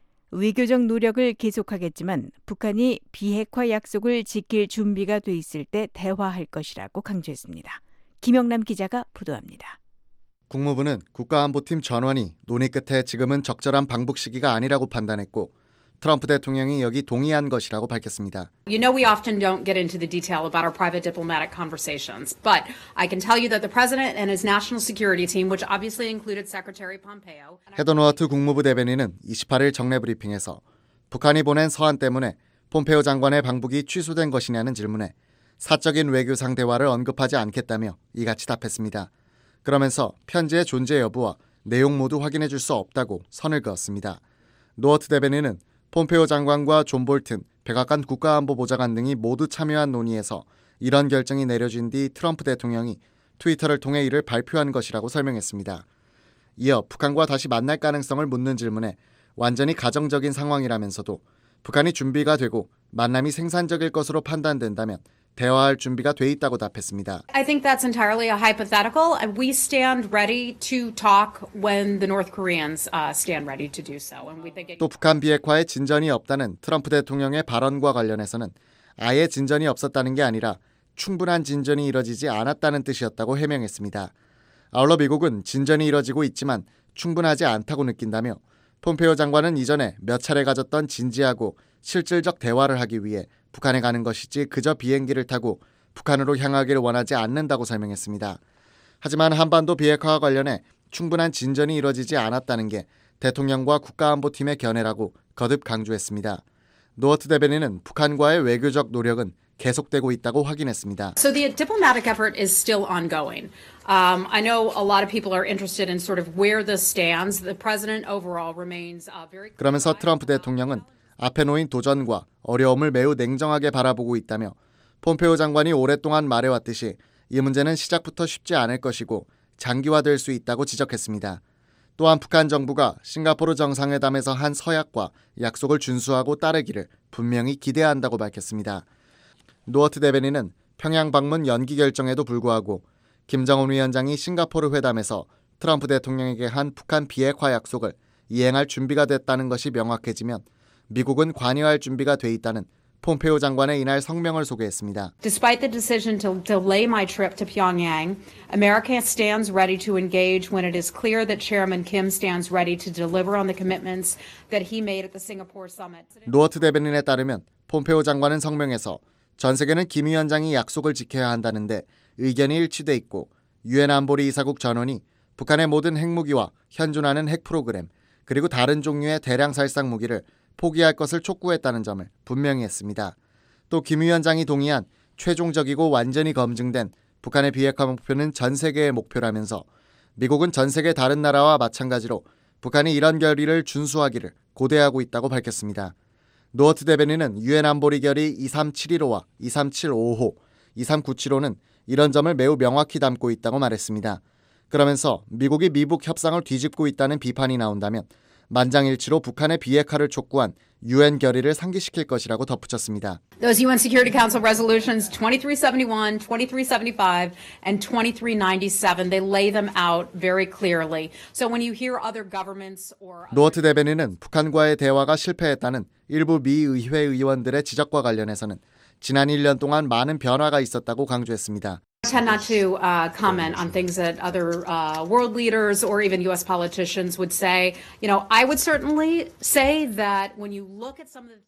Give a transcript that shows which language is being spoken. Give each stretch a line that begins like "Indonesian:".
Korean: 외교적 노력을 계속하겠지만 북한이 비핵화 약속을 지킬 준비가 돼 있을 때 대화할 것이라고 강조했습니다. 김영남 기자가 보도합니다. 국무부는 국가안보팀 전원이 논의 끝에 지금은 적절한 방북 시기가 아니라고 판단했고 트럼프 대통령이 여기 동의한 것이라고 밝혔습니다.
English: You know we often don't get into the detail about our private diplomatic conversations, but I can tell you that the president and his national security team, which obviously included Secretary Pompeo,
Korean: 헤더 노아트 국무부 대변인은 28일 정례 브리핑에서 북한이 보낸 서한 때문에 폼페오 장관의 방북이 취소된 것이냐는 질문에 사적인 외교상 대화를 언급하지 않겠다며 이같이 답했습니다. 그러면서 편지의 존재 여부와 내용 모두 확인해 줄 수 없다고 선을 그었습니다. 노어트 대변인은 폼페오 장관과 존 볼튼, 백악관 국가안보보좌관 등이 모두 참여한 논의에서 이런 결정이 내려진 뒤 트럼프 대통령이 트위터를 통해 이를 발표한 것이라고 설명했습니다. 이어 북한과 다시 만날 가능성을 묻는 질문에 완전히 가정적인 상황이라면서도 북한이 준비가 되고 만남이 생산적일 것으로 판단된다면 대화할 준비가 돼 있다고 답했습니다.
English: I think that's entirely a hypothetical. We stand ready to talk when the North Koreans stand ready to do so.
Korean: 또 북한 비핵화에 진전이 없다는 트럼프 대통령의 발언과 관련해서는 아예 진전이 없었다는 게 아니라 충분한 진전이 이뤄지지 않았다는 뜻이었다고 해명했습니다. 아울러 미국은 진전이 이뤄지고 있지만 충분하지 않다고 느낀다며 폼페오 장관은 이전에 몇 차례 가졌던 진지하고 실질적 대화를 하기 위해 북한에 가는 것이지 그저 비행기를 타고 북한으로 향하기를 원하지 않는다고 설명했습니다. 하지만 한반도 비핵화와 관련해 충분한 진전이 이뤄지지 않았다는 게 대통령과 국가안보팀의 견해라고 거듭 강조했습니다. 노어트 대변인은 북한과의 외교적 노력은 계속되고 있다고 확인했습니다.
English: So the diplomatic effort is still ongoing. I know a lot of people are interested in sort of where this stands. The president overall remains very.
Korean: 그러면서 트럼프 대통령은 앞에 놓인 도전과 어려움을 매우 냉정하게 바라보고 있다며 폼페오 장관이 오랫동안 말해왔듯이 이 문제는 시작부터 쉽지 않을 것이고 장기화될 수 있다고 지적했습니다. 또한 북한 정부가 싱가포르 정상회담에서 한 서약과 약속을 준수하고 따르기를 분명히 기대한다고 밝혔습니다. 노어트 대변인은 평양 방문 연기 결정에도 불구하고 김정은 위원장이 싱가포르 회담에서 트럼프 대통령에게 한 북한 비핵화 약속을 이행할 준비가 됐다는 것이 명확해지면 미국은 관여할 준비가 돼 있다는 폼페오 장관의 이날 성명을 소개했습니다.
English: Despite the decision to delay my trip to Pyongyang, America stands ready to engage when it is clear that Chairman Kim stands ready to deliver on the commitments that he made at the Singapore summit.
Korean: 노어트 대변인에 따르면 폼페오 장관은 성명에서 전 세계는 김 위원장이 약속을 지켜야 한다는데 의견이 일치돼 있고 유엔 안보리 이사국 전원이 북한의 모든 핵무기와 현존하는 핵 프로그램 그리고 다른 종류의 대량 살상 무기를 포기할 것을 촉구했다는 점을 분명히 했습니다. 또 김 위원장이 동의한 최종적이고 완전히 검증된 북한의 비핵화 목표는 전 세계의 목표라면서 미국은 전 세계 다른 나라와 마찬가지로 북한이 이런 결의를 준수하기를 고대하고 있다고 밝혔습니다. 노어트 대변인은 유엔 안보리 결의 23715와 2375호, 2397호는 이런 점을 매우 명확히 담고 있다고 말했습니다. 그러면서 미국이 미북 협상을 뒤집고 있다는 비판이 나온다면 만장일치로 북한의 비핵화를 촉구한 유엔 결의를 상기시킬 것이라고 덧붙였습니다.
English: Those UN Security Council resolutions 2371, 2375 and 2397, they lay them out very clearly. So when you hear other governments or
Korean: 노어트 대변인은 북한과의 대화가 실패했다는 일부 미 의회 의원들의 지적과 관련해서는 지난 1년 동안 많은 변화가 있었다고 강조했습니다.
English: I tend not to comment on things that other world leaders or even U.S. politicians would say. You know, I would certainly say that when you look at some of the